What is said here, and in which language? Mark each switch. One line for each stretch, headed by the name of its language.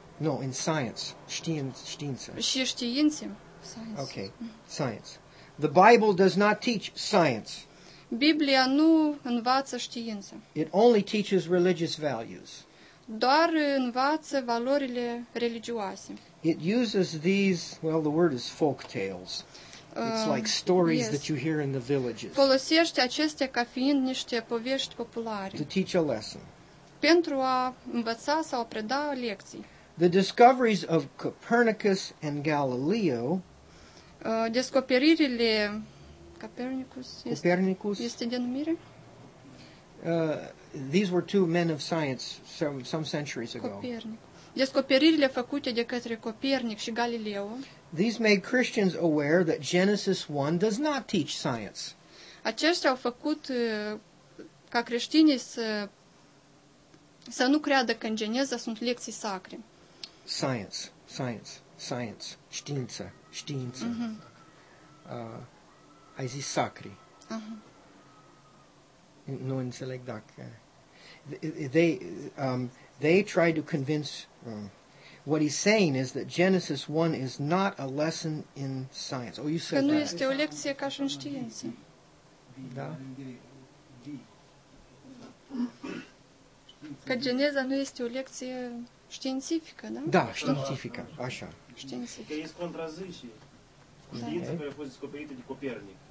English: No, in science. Știință.
Romanian: Și știință. Science.
English: Okay, science. The Bible does not teach science.
Romanian: Biblia nu învață știință.
English: It only teaches religious values.
Romanian: Doar învață valorile religioase.
English: It uses these, well, the word is folk tales. It's like stories that you hear in the villages.
Romanian: Folosește acestea ca fiind niște povești populare.
English: To teach a lesson.
Romanian: Pentru a învăța sau a preda lecții.
English: The discoveries of Copernicus and Galileo.
Romanian: Descoperirile Copernicus. Este denumire?
English: These were two men of science some centuries ago.
Romanian: Copernic. Descoperirile făcute de către Copernic și Galileo.
English: These made Christians aware that Genesis 1 does not teach science.
Romanian: Aceștia au făcut ca creștinii să nu creadă că în Geneza sunt lecții sacre. Science, știință. Uh-huh. Ai zis sacri. Uh-huh. Nu înțeleg dacă...
English: They try to convince... What he's saying is that Genesis 1 is not a lesson in science. Oh, you said
Romanian: că nu
English: that.
Romanian: Este o lecție ca și în știință. Da? Că Geneza nu este o lecție științifică, da? Da, științifică, așa. Științifică. Că este contrazis și știință care a fost descoperită de Copernic.